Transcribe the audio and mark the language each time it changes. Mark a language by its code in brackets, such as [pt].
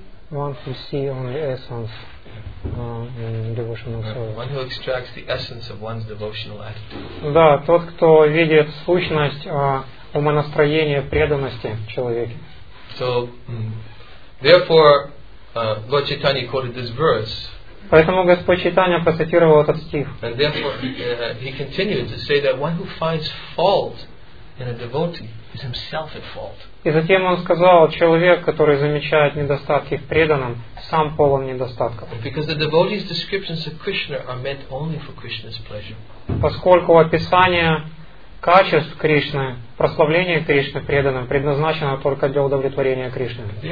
[en] One who sees only essence in devotional service. One who extracts the essence of one's devotional attitude. [ru] Да, тот, кто видит сущность. Умонастроение преданности человеке. [en] So, therefore, Lord Chaitanya quoted this verse. [ru] Поэтому Господь Чайтанья процитировал этот стих. [en] And therefore, he continued to say that one who finds fault in a devotee is himself at fault. [ru] И затем он сказал, человек, который замечает недостатки в преданном, сам полон недостатков. [en] Because the devotee's descriptions of Krishna are meant only for Krishna's pleasure. [ru] Поскольку описание качеств Кришны, прославление Кришны преданным предназначено только для удовлетворения Кришны.